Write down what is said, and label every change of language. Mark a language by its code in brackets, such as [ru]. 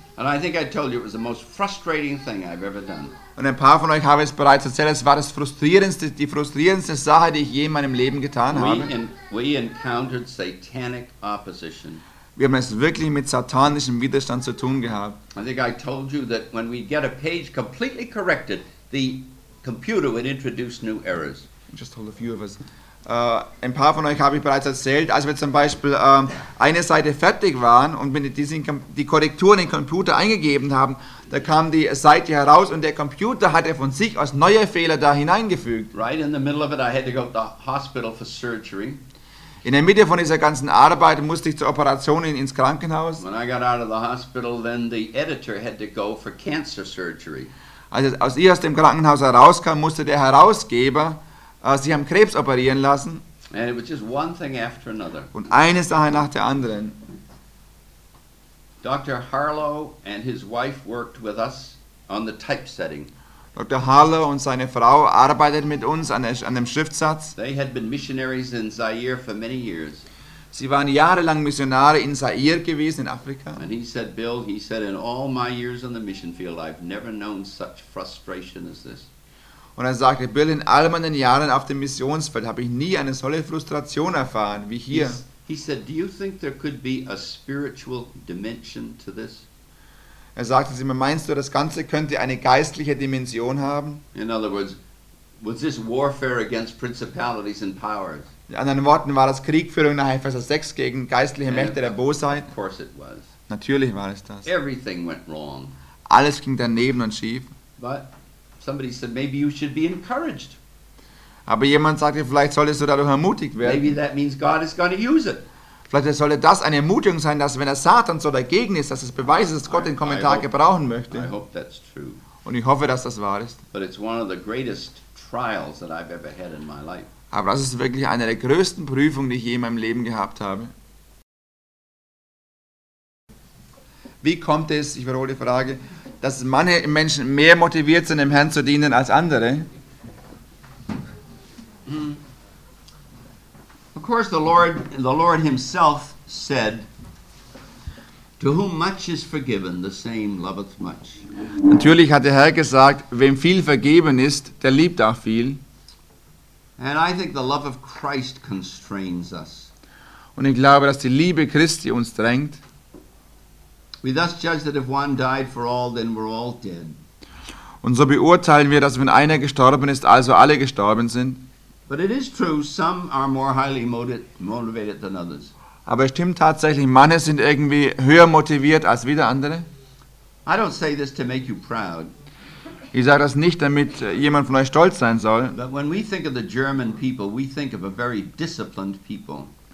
[en] And I think I told you it was the most frustrating thing I've ever done. [de] Und ein paar von euch haben es bereits erzählt, es war die frustrierendste Sache, die ich je in meinem Leben getan habe. [en] We encountered satanic opposition. [de] Wir haben es wirklich mit satanischem Widerstand zu tun gehabt. [en] I think I told you that when we get a page completely corrected, the computer would introduce new errors. Just told a few of us. [de] Ein paar von euch habe ich bereits erzählt, als wir zum Beispiel eine Seite fertig waren und die Korrekturen in den Computer eingegeben haben, da kam die Seite heraus und der Computer hatte von sich aus neue Fehler da hineingefügt. [en] Right in the middle of it, I had to go to the hospital for surgery. [de] In der Mitte von dieser ganzen Arbeit musste ich zur Operation ins Krankenhaus. [en] When I got out of the hospital, then the editor had to go for cancer surgery. [de] Als ich aus dem Krankenhaus herauskam, musste der Herausgeber sie haben Krebs operieren lassen. [en] And it was just one thing after another. [de] Und eine Sache nach der anderen. [en] Dr. Harlow and his wife worked with us on the typesetting. Dr. [de] Harlow und seine Frau arbeiteten mit uns an dem Schriftsatz. [en] They had been missionaries in Zaire for many years. [de] Sie waren jahrelang Missionare in Zaire gewesen, in Afrika. [en] And he said, Bill, he said, in all my years on the mission field, I've never known such frustration as this. [de] Und er sagte, Bill, in all meinen Jahren auf dem Missionsfeld habe ich nie eine solche Frustration erfahren wie hier. [en] He said, do you think there could be a spiritual dimension to this? [de] Er sagte zu mir, meinst du, das Ganze könnte eine geistliche Dimension haben? [en] In other words, was this warfare against principalities and powers? [de] In anderen Worten, war das Kriegführung nach Epheser 6 gegen geistliche Mächte der Bosheit? [en] Of course it was. [de] Natürlich war es das. [en] Everything went wrong. [de] Alles ging daneben und schief. [en] But somebody said, maybe you should be encouraged. [de] Aber jemand sagte, vielleicht solltest du dadurch ermutigt werden. [en] Maybe that means God is going to use it. [de] Vielleicht sollte das eine Ermutigung sein, dass wenn der Satan so dagegen ist, dass es beweist, dass Gott den Kommentar gebrauchen möchte. [en] I hope that's true. [de] Und ich hoffe, dass das wahr ist. [en] But it's one of the greatest trials that I've ever had in my life. [de] Aber das ist wirklich eine der größten Prüfungen, die ich je in meinem Leben gehabt habe. Wie kommt es, ich wiederhole die Frage, dass manche Menschen mehr motiviert sind, dem Herrn zu dienen als andere? [en] Of course the Lord himself said, to whom much is forgiven, the same loveth much. [de] Natürlich hat der Herr gesagt, wem viel vergeben ist, der liebt auch viel. [en] And I think the love of Christ constrains us. [de] Und ich glaube, dass die Liebe Christi uns drängt. [en] We thus judge that if one died for all, then we're all dead. [de] Und so beurteilen wir, dass wenn einer gestorben ist, also alle gestorben sind. [en] But it is true, some are more highly motivated than others. [de] Aber es stimmt tatsächlich, manche sind irgendwie höher motiviert als wieder andere. [en] I don't say this to make you proud. [de] Ich sage das nicht, damit jemand von euch stolz sein soll. [en] But when we think of the German people, we think of a very disciplined people.